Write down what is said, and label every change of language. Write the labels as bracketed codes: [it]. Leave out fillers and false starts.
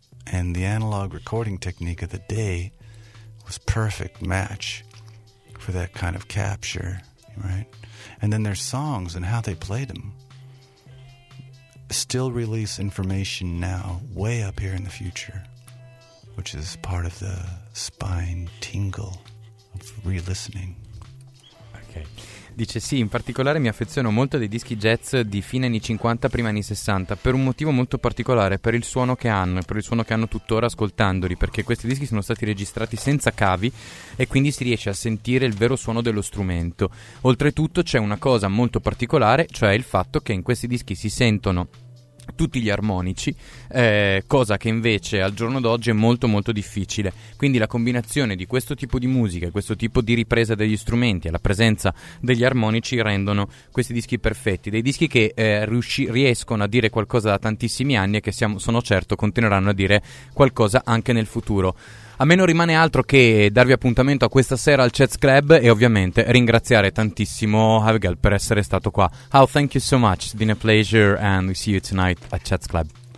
[en] And the analog recording technique of the day was perfect match for that kind of capture, right? And then their songs and how they played them still release information now, way up here in the future, which is part of the spine tingle of re-listening. Okay. [it] Dice sì, in particolare mi affeziono molto dei dischi jazz di fine anni 50, prima anni 60, per un motivo molto particolare, per il suono che hanno e per il suono che hanno tuttora ascoltandoli, perché questi dischi sono stati registrati senza cavi e quindi si riesce a sentire il vero suono dello strumento. Oltretutto c'è una cosa molto particolare, cioè il fatto che in questi dischi si sentono tutti gli armonici, cosa che invece al giorno d'oggi è molto molto difficile. Quindi la combinazione di questo tipo di musica e questo tipo di ripresa degli strumenti e la presenza degli armonici rendono questi dischi perfetti, dei dischi che riescono a dire qualcosa da tantissimi anni e che sono certo continueranno a dire qualcosa anche nel futuro. A me non rimane altro che darvi appuntamento a questa sera al Chats Club e ovviamente ringraziare tantissimo Havgal per essere stato qua. [en] How, thank you so much. It's been a pleasure and we see you tonight at Chats Club.